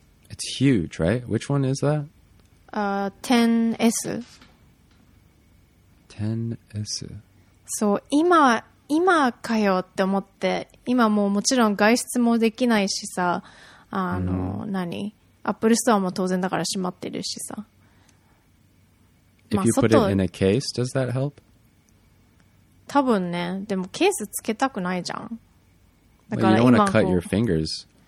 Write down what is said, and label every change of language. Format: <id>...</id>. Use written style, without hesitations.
<en>It's huge, right? Which one is that? 10S. 10S.</en> <ja>So, 今かよって思って、今もうもちろん外出もできないしさ、 何? Apple Storeも当然だから閉まってるしさ。</ja> <en>If you put it in a case, does that help?</en> <ja>多分ね、でもケースつけたくないじゃん。</ja> <en>But you don't want to cut your fingers.</en>